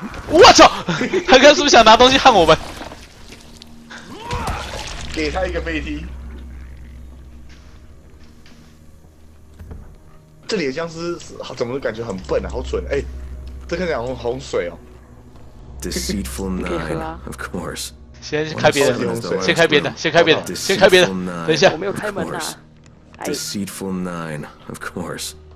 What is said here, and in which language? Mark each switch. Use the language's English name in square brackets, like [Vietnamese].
[Chinese] 我操！他刚是不是想拿东西焊我们？给他一个飞踢。这里的僵尸怎么感觉很笨啊？好蠢！哎、欸，这看起来洪水哦。 [English] Deceitful nine, of course. [Chinese] 先开别的，先开别的，先开别的，先开别的。等一下，我没有开门啊。 [English] Deceitful nine, of course.